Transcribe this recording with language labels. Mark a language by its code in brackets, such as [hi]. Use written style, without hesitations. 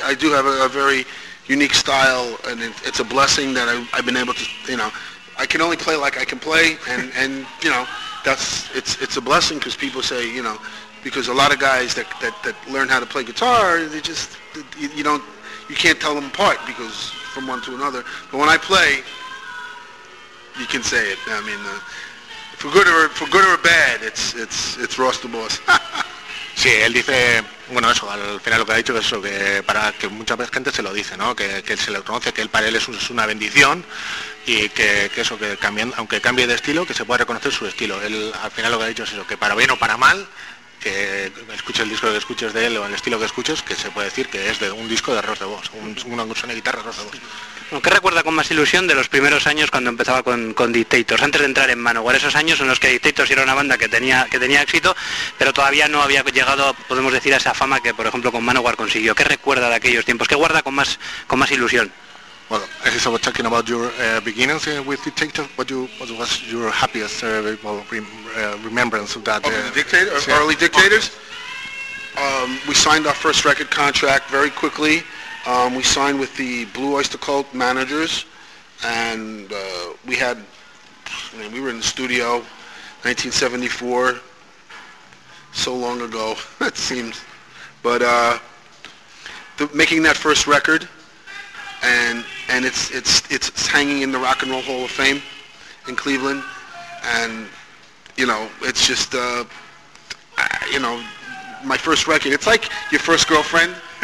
[en] I do have a very unique style, and it's a blessing that I've been able to, you know, I can only play like I can play, and you know, it's a blessing, because people say, you know, because a lot of guys that learn how to play guitar, they just, you can't tell them apart, because from one to another. But when I play, you can say it. I mean, For good or bad, it's Ross DeVos. [es] Sí, él dice, bueno, eso, al final lo que ha dicho es eso, que para que mucha gente se lo dice, ¿no? Que él se le reconoce, que él para él es una bendición, y que eso, que cambiando, aunque cambie de estilo, que se pueda reconocer su estilo. Él al final lo que ha dicho es eso, que para bien o para mal, que escuches el disco que escuches de él o el estilo que escuches, que se puede decir que es de un disco de Ross DeVos, una canción de guitarra de Ross DeVos. ¿Qué recuerda con más ilusión de los primeros años cuando empezaba con Dictators, antes de entrar en Manowar? Esos años en los que Dictators era una banda que tenía éxito, pero todavía no había llegado, podemos decir, a esa fama que, por ejemplo, con Manowar consiguió. ¿Qué recuerda de aquellos tiempos? ¿Qué guarda con más ilusión? [en] Well, as you were talking about your beginnings with Dictators, what was your happiest remembrance of that? Early Dictators. We signed our first record contract very quickly. We signed with the Blue Oyster Cult managers, and we were in the studio, 1974, so long ago, it seems, but making that first record, and it's hanging in the Rock and Roll Hall of Fame in Cleveland, and, you know, it's just, you know, my first record, it's like your first girlfriend.